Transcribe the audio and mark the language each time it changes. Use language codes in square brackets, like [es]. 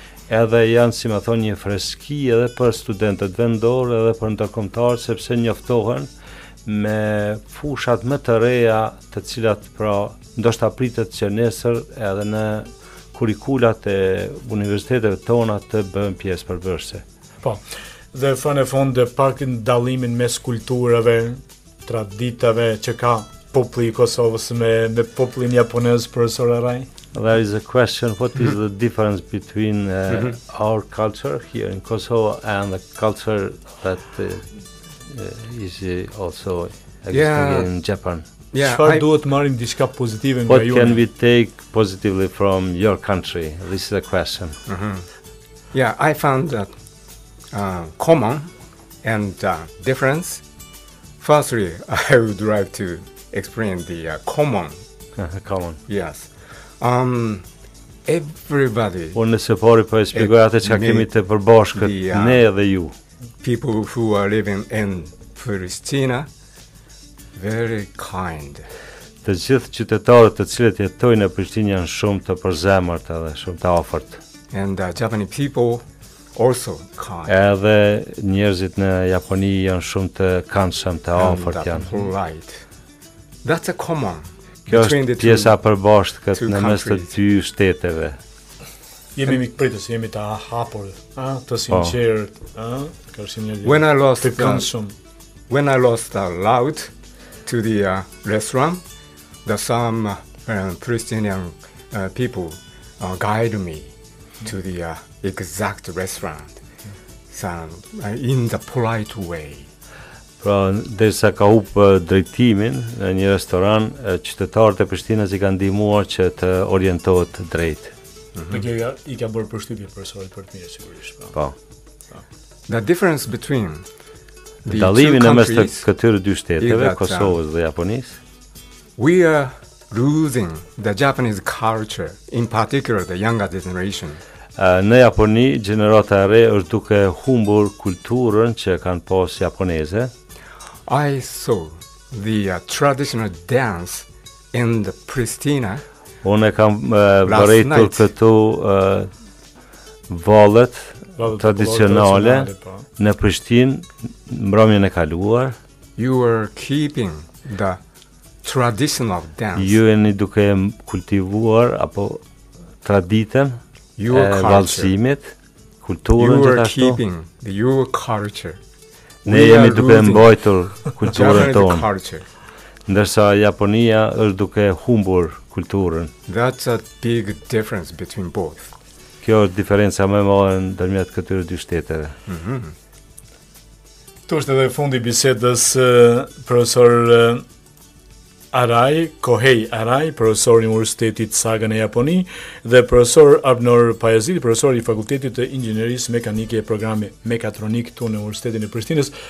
[sq] edhe janë, si më thonë, një freski edhe për studentët vendorë edhe për ndërkombëtarë, sepse njoftohen me fushat më të reja, të cilat pra ndoshta pritet që nesër edhe në kurikulat e universiteteve tona të bëhen pjesë përbërëse. Po, dhe fa në fond dhe pakin dalimin mes kulturave, traditave që ka populli i Kosovës me popullin japonez, profesor Araj? [en] There is a question, what is the difference between our culture here in Kosovo and the culture that is also existing in Japan? What can we take positively from your country? This is the question. Mm-hmm. Yeah, I found that common and difference. Firstly, I would like to explain the common. Common. Yes. Everybody. [sq] Unë nëse pori për e shpjegoj atë që kemi të përbashkët, ne dhe ju. [en] People who are living in Pristina, very kind. [sq] Të gjithë qytetarët të cilët jetojnë në Prishtinë janë shumë të përzemërt edhe shumë të afërt. [en] And Japanese people also kind. [sq] Edhe njerëzit në Japoni janë shumë të këndshëm, të afërt janë. [en] Polite. That's a common. [sq] Kjo është pjesa përbashkët në mes të dy shteteve. Jemi mikpritës, jemi të hapur, të sinqert, [en] When I lost the consum. When I lost a lot to the restaurant, the some Christian people guide me to the exact restaurant. Some in the polite way. [sq] Pra, derisa ka humbë drejtimin në një restoran, qytetarët e Prishtinës i kanë ndihmuar që të orientohet drejt. Mm-hmm. I ka bërë përshtypje profesorit për të mirë sigurisht. Po. [en] The difference between the [sq] dallimi në mes të këtyre dy shteteve, Kosovës dhe Japonisë. [en] We are losing the Japanese culture, in particular the younger generation. [sq] Në Japoni, gjenerata e re është duke humbur kulturën që kanë pas japoneze. [en] I saw the traditional dance in the Pristina. [sq] Unë kam vërejtur këtu valet tradicionale në Prishtinë mbrëmjen e kaluar. [en] You were keeping the traditional dance. [sq] Ju jeni duke kultivuar apo traditën e vallëzimit, kulturën gjithashtu. [en] You were keeping the your culture. [sq] Ne jemi duke mbajtur kulturën tonë. Ndërsa Japonia është duke humbur kulturën. [en] That's a big difference between both. [sq] Kjo është diferenca më e madhe ndërmjet këtyre dy shteteve. Mhm. Kjo është edhe fundi i bisedës profesor Araj, Kohei Araj, profesor i Universitetit Saga në Japoni dhe profesor Abnor Pajaziti, profesor i Fakultetit të Inxhinierisë Mekanike e Programit Mekatronik këtu në Universitetin e Prishtinës.